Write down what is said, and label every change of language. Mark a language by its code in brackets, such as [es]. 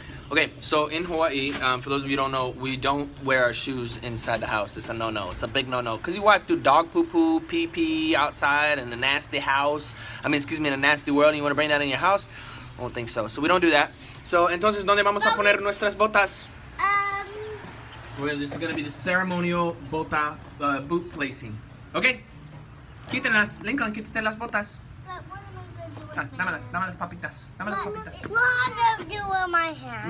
[en] Okay, so in Hawaii, for those of you who don't know, we don't wear our shoes inside the house. It's a no-no. It's a big no-no. Because you walk through dog poo-poo, pee-pee outside in a nasty house. I mean, excuse me, in a nasty world, and you want to bring that in your house? I don't think so. So we don't do that. So, [es] entonces, ¿dónde vamos a poner nuestras botas? [en] Well, this is going to be the ceremonial bota, boot placing. Okay? [es] Quítenlas. Lincoln, quítate las botas. Dame las papitas. [en] What am I going to do with my hands?